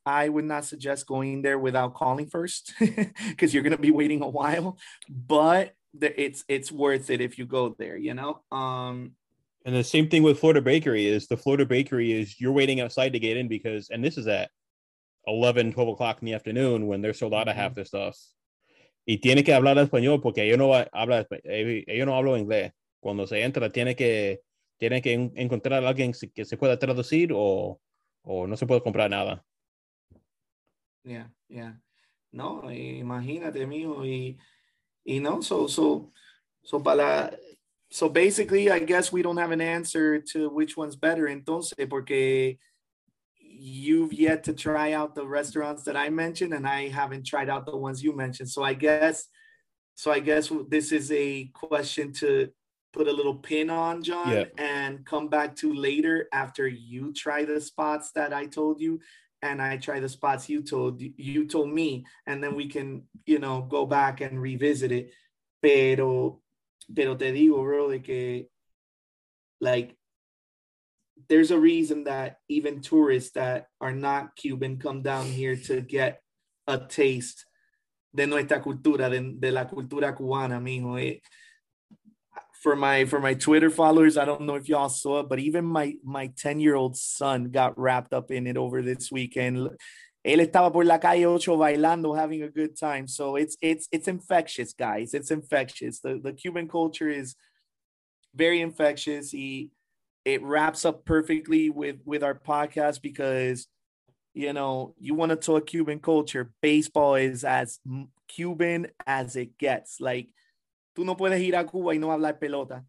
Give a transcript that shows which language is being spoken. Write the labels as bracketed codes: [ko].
[en] I would not suggest going there without calling first, because you're going to be waiting a while. But it's worth it if you go there, you know? And the same thing with Florida Bakery is, the Florida Bakery is, you're waiting outside to get in because... And this is at 11, 12 o'clock in the afternoon when they're sold out of half their stuff. [es] Y tiene que hablar español porque yo no hablo inglés. Cuando se entra, tiene que encontrar a alguien que se pueda traducir o no se puede comprar nada. [en] Yeah, yeah. [es] No, imagínate, mijo. Y no, [en] so basically, I guess we don't have an answer to which one's better. [es] Entonces, porque [en] you've yet to try out the restaurants that I mentioned, and I haven't tried out the ones you mentioned. So I guess this is a question to put a little pin on, John, yep, and come back to later after you try the spots that I told you, and I try the spots you told me, and then we can, you know, go back and revisit it. [es] Pero te digo, [en] really, [es] que, [en] like, there's a reason that even tourists that are not Cuban come down here to get a taste [es] de nuestra cultura, de la cultura cubana, mijo. [en] For my Twitter followers, I don't know if y'all saw it, but even my 10-year-old son got wrapped up in it over this weekend. [es] Él estaba por la calle 8 bailando, [en] having a good time. So it's infectious, guys. It's infectious. The Cuban culture is very infectious. It wraps up perfectly with our podcast, because, you know, you want to talk Cuban culture, baseball is as Cuban as it gets. Like, [es] tú no puedes ir a Cuba y no hablar pelota.